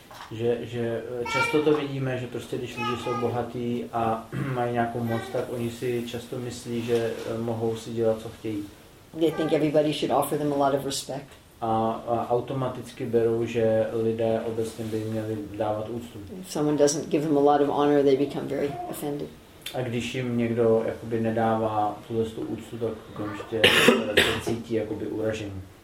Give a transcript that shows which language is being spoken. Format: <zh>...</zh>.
<cs>Že často to vidíme, že prostě když lidi jsou bohatí a mají nějakou moc, tak oni si často myslí, že mohou si dělat co chtějí.</cs> <en>They think everybody should offer them a lot of respect.</en> <cs>A automaticky berou, že lidé obecně by měli dávat úctu.</cs> <en>If someone doesn't give them a lot of honor, they become very offended.</en> <cs>A když jim někdo jakoby nedává tuhle tu úctu, tak okamžitě se cítí jakoby uražen.</cs>